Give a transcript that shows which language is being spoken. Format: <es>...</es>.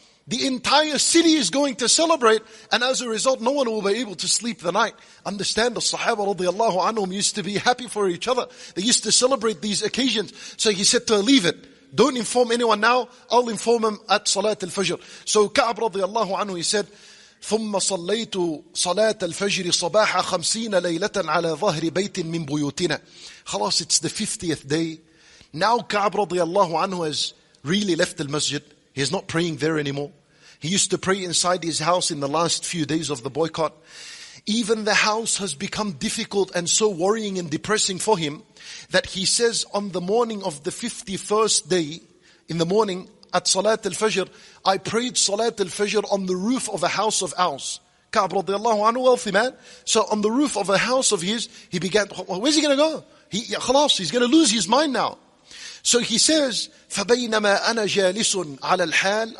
<en>The entire city is going to celebrate, and as a result, no one will be able to sleep the night. Understand, the Sahaba radiallahu anhum used to be happy for each other. They used to celebrate these occasions. So he said to her, leave it. Don't inform anyone now. I'll inform him at Salat al-Fajr. So Ka'ab radiallahu anhu, he said,</en> <ar>ثُمَّ صَلَّيْتُ صَلَاةَ الْفَجْرِ صَبَاحَ خَمْسِينَ لَيْلَةً عَلَى ظَهْرِ بَيْتٍ مِّن بُيُوتِنَا.</ar> <en>خلاص, it's the 50th day. Now Ka'ab radiallahu anhu has really left the masjid. He is not praying there anymore. He used to pray inside his house in the last few days of the boycott. Even the house has become difficult and so worrying and depressing for him that he says on the morning of the 51st day, in the morning at Salat al-Fajr, I prayed Salat al-Fajr on the roof of a house of ours. Ka'ab radiallahu anhu, wealthy man. So on the roof of a house of his, he began, where's he going to go? He's going to lose his mind now. So he says,</en> <ar>فَبَيْنَمَا أَنَا جَالِسٌ عَلَى الْحَالِ.</ar>